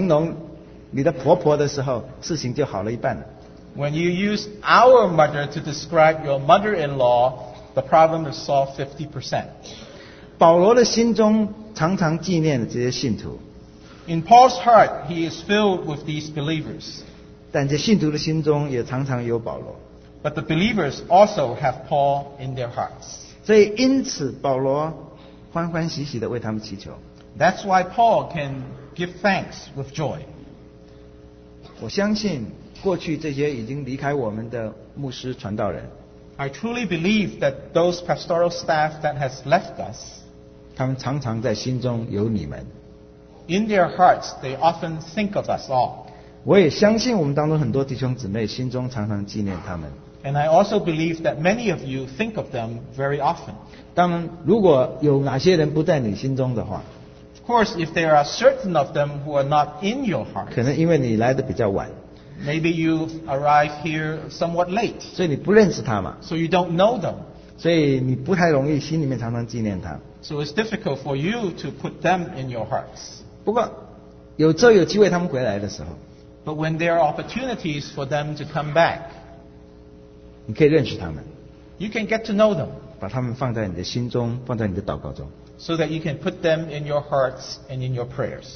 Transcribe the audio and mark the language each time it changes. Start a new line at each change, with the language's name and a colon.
Chinese: 当你开始用我们的妈开始来形容你的婆婆的时候, 事情就好了一半了。
English: When you use our mother to describe your mother-in-law, the problem is solved 50%.
Chinese: 保罗的心中常常纪念这些信徒。
English: In Paul's heart, he is filled with these believers.
Chinese: 但这信徒的心中也常常有保罗。
English: But the believers also have Paul in their hearts.
Chinese: 所以因此保罗欢欢喜喜地为他们祈求。
English: That's why Paul can give thanks with joy.
Chinese: 我相信 过去这些已经离开我们的牧师传道人,
English: I truly believe that those pastoral staff that has left us,
Chinese: 他们常常在心中有你们。
English: In their hearts, they often think of us all.
Chinese: 我也相信我们当中很多弟兄姊妹心中常常纪念他们。
English: And I also believe that many of you think of them very often.
Chinese: 当然如果有哪些人不在你心中的话,
English: of course, if there are certain of them who are not in your heart,
Chinese: 可能因为你来得比较晚。
English: Maybe you arrive here somewhat late.
Chinese: 所以你不认识他嘛?
English: So you don't know them.
Chinese: 所以你不太容易心里面常常纪念他。
English: So it's difficult for you to put them in your hearts.
Chinese: 不过有机会他们回来的时候,
English: but when there are opportunities for them to come back,
Chinese: 你可以认识他们。
English: You can get to know them.
Chinese: 把他们放在你的心中, 放在你的祷告中。
English: So that you can put them in your hearts and in your prayers.